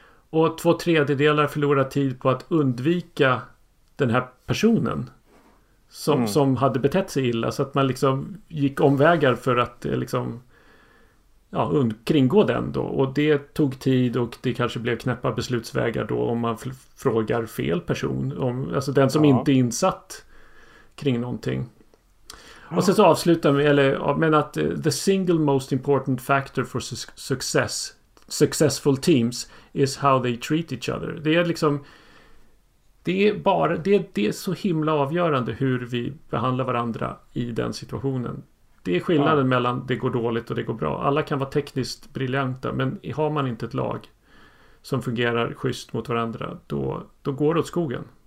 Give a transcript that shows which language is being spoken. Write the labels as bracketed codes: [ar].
[sv] Och 2/3 förlorade tid på att undvika den här personen som hade betett sig illa, så att man liksom gick omvägar för att liksom kringgå den då. Och det tog tid och det kanske blev knäppa beslutsvägar då om man frågar fel person. Alltså den som inte är insatt kring någonting. Ja. Och sen så avslutar med, att [en] the single most important factor for successful teams is how they treat each other. [sv] Det är liksom, det är så himla avgörande hur vi behandlar varandra i den situationen. Det är skillnaden mellan det går dåligt och det går bra. Alla kan vara tekniskt briljanta, men har man inte ett lag som fungerar schysst mot varandra, då går det åt skogen.